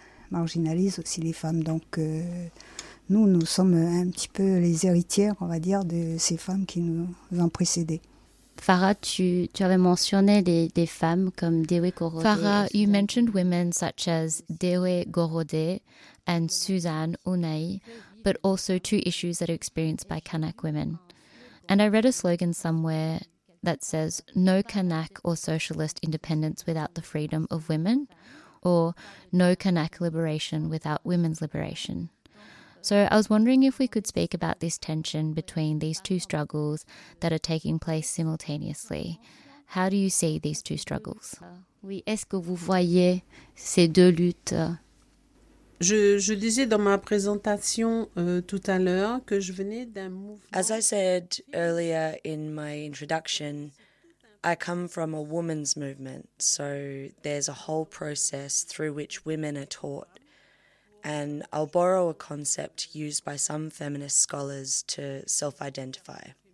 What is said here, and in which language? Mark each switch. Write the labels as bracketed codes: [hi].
[fr] Marginalise aussi les femmes. Donc nous, nous sommes un petit peu les héritières, on va dire, de ces femmes qui nous ont précédées. Farah, tu avais mentionné des femmes comme Dewe Gorode. [en] Farah, you mentioned women such as Dewe Gorode and Suzanne Unai, but also two issues that are experienced by Kanak women. And I read a slogan somewhere that says, "No Kanak or socialist independence without the freedom of women," or "No Kanak liberation without women's liberation." So I was wondering if we could speak about this tension between these two struggles that are taking place simultaneously. How do you see these two struggles? [fr] Oui, est-ce que vous voyez ces deux luttes? Je disais dans ma présentation tout à l'heure que je venais d'un mouvement... [en] As I said earlier in my introduction, I come from a women's movement, so there's a whole process through which women are taught. And I'll borrow a concept used by some feminist scholars to self-identify.